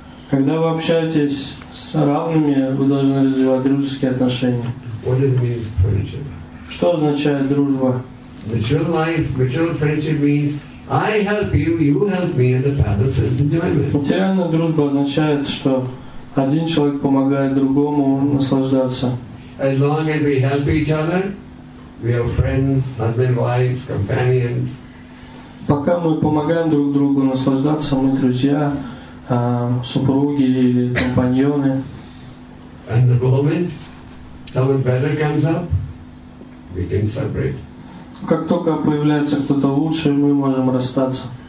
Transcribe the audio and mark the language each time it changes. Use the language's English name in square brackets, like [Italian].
[Russian] Когда вы общаетесь с равными, вы должны развивать дружеские отношения. [English] What it means, friendship? [Russian] Что означает дружба? [English] Mature life, mature friendship means I help you, you help me, and the balance is enjoyment. [Russian] Материальная дружба означает, что один человек помогает другому наслаждаться. [English] As long as we help each other, we are friends, husband, wives, companions. [Russian] Пока мы помогаем друг другу наслаждаться, мы друзья, супруги или компаньоны. [English] And the moment someone better comes up, we can separate. [Russian] Как только появляется кто-то лучше, мы можем расстаться.